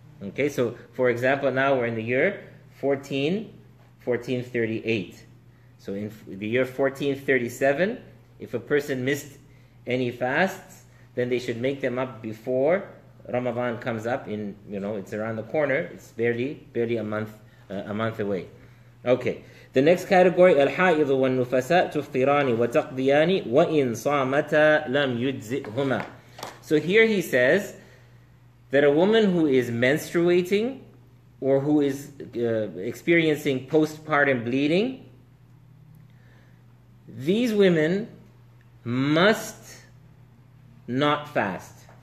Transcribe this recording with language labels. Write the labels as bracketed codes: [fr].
[en] Okay, so for example, now we're in the year 1438. So in the year 1437, if a person missed any fasts, then they should make them up before Ramadan comes up. In, you know, it's around the corner. It's barely a month away. Okay. The next category, [ar] الحائض والنفساء تفطران وتقضيان وإن صامتا لم يجزئهما. [en] So here he says that a woman who is menstruating or who is experiencing postpartum bleeding, these women must not fast.